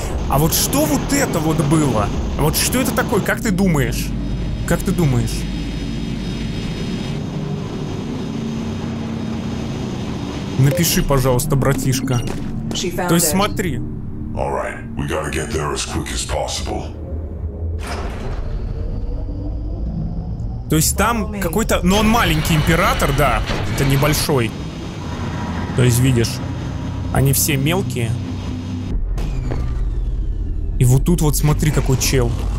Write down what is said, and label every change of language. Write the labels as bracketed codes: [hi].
[ru] А вот что вот это вот было? Вот что это такое? Как ты думаешь? Как ты думаешь? Напиши, пожалуйста, братишка. То есть смотри. [en] All right, we gotta get there as quick as possible. [ru] То есть там какой-то... Но он маленький император, да. Это небольшой. То есть видишь, они все мелкие. И вот тут вот смотри, какой чел.